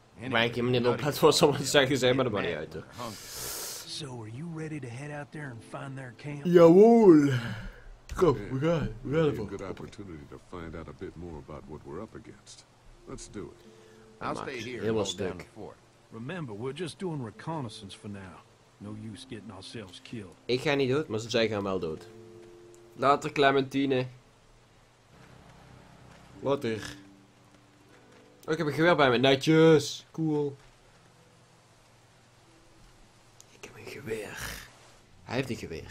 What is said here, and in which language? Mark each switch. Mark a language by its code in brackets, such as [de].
[nl] Maar ik heb niet op plaats voor sommige zeggen, zeg maar de money uit. [en] So are you ready to head out there and find their camp? Jawohl. Go, we got it. We got it. Good opportunity to find out a bit more about what we're up against. Let's do it. I'll stay here. It will stick. Remember, we're just doing reconnaissance for now. No use getting ourselves killed. [nl] Ik ga niet dood, maar zij gaan wel dood. Later, Clementine. Later. Oh, ik heb een geweer bij me. Netjes. Cool. Ik heb een geweer. Hij heeft een geweer.